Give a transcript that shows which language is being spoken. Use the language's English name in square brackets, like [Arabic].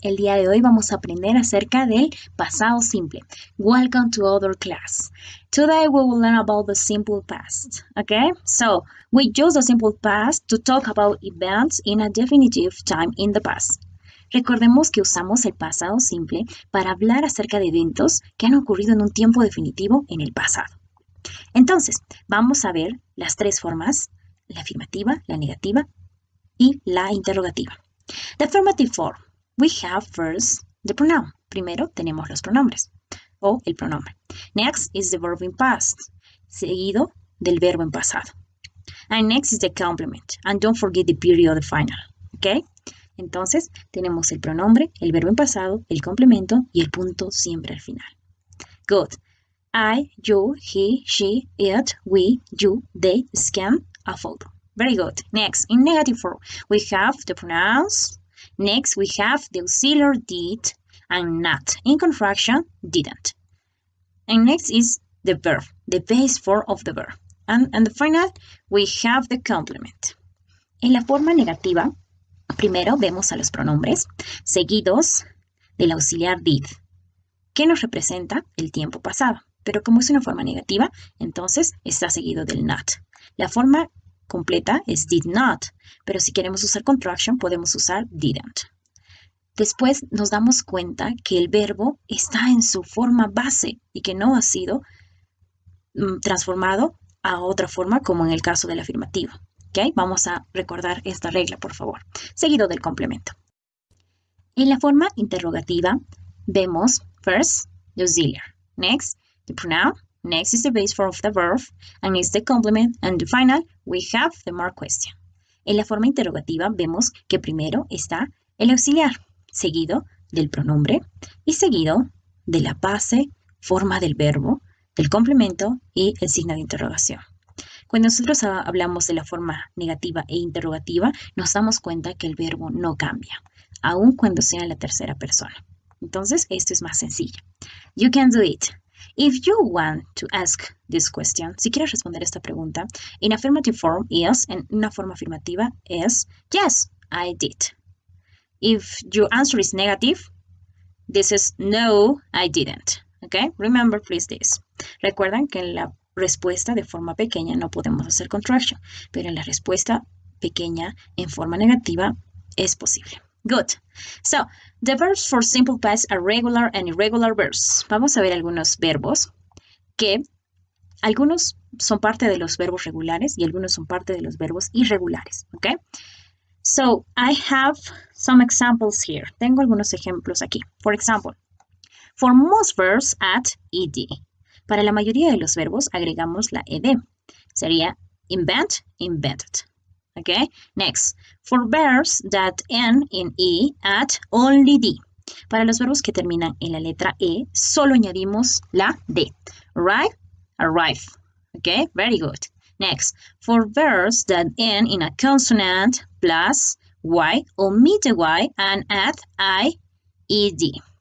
[Spanish] El día de hoy vamos a aprender acerca del pasado simple. [English] Welcome to other class. Today we will learn about the simple past. Okay? So, we use the simple past to talk about events in a definitive time in the past. [Spanish] Recordemos que usamos el pasado simple para hablar acerca de eventos que han ocurrido en un tiempo definitivo en el pasado. Entonces, vamos a ver las tres formas: la afirmativa, la negativa y la interrogativa. [English] The affirmative form. We have first the pronoun. [Spanish] Primero tenemos los pronombres o el pronombre. [English] Next is the verb in past. [Spanish] Seguido del verbo en pasado. [English] And next is the complement. And don't forget the period final. ¿Ok? [Spanish] Entonces tenemos el pronombre, el verbo en pasado, el complemento y el punto siempre al final. [English] Good. I, you, he, she, it, we, you, they, scan, a photo. Very good. Next, in negative form, we have the pronouns. Next, we have the auxiliary did and not. In contraction, didn't. And next is the verb, the base form of the verb. And the final, we have the complement. [Spanish] En la forma negativa, primero vemos a los pronombres seguidos del auxiliar did, que nos representa el tiempo pasado. Pero como es una forma negativa, entonces está seguido del not. La forma completa es did not, pero si queremos usar contraction podemos usar didn't. Después nos damos cuenta que el verbo está en su forma base y que no ha sido transformado a otra forma como en el caso del afirmativo. ¿Okay? Vamos a recordar esta regla, por favor, seguido del complemento. En la forma interrogativa vemos [English] first the auxiliary, next the pronoun. Next is the base form of the verb, and it's the complement, and the final, we have the mark question. [Spanish] En la forma interrogativa vemos que primero está el auxiliar, seguido del pronombre y seguido de la base, forma del verbo, del complemento y el signo de interrogación. Cuando nosotros hablamos de la forma negativa e interrogativa, nos damos cuenta que el verbo no cambia, aun cuando sea en la tercera persona. Entonces, esto es más sencillo. [English] You can do it. If you want to ask this question, [Spanish] si quieres responder esta pregunta, [English] in affirmative form, yes, [Spanish] en una forma afirmativa, es [English] yes, I did. If your answer is negative, this is no, I didn't. Okay? Remember, please, this. [Spanish] Recuerden que en la respuesta de forma pequeña no podemos hacer contraction, pero en la respuesta pequeña en forma negativa es posible. [English] Good. So, the verbs for simple past are regular and irregular verbs. [Spanish] Vamos a ver algunos verbos que algunos son parte de los verbos regulares y algunos son parte de los verbos irregulares. [English] Okay? So, I have some examples here. [Spanish] Tengo algunos ejemplos aquí. [English] For example, for most verbs, add ed. [Spanish] Para la mayoría de los verbos, agregamos la ed. [English] Sería invent, invented. Okay, next. For verbs that end in E, add only D. [Spanish] Para los verbos que terminan en la letra E, solo añadimos la D. [English] Arrive, arrive. Okay, very good. Next. For verbs that end in a consonant plus Y, omit the Y and add I, E, D.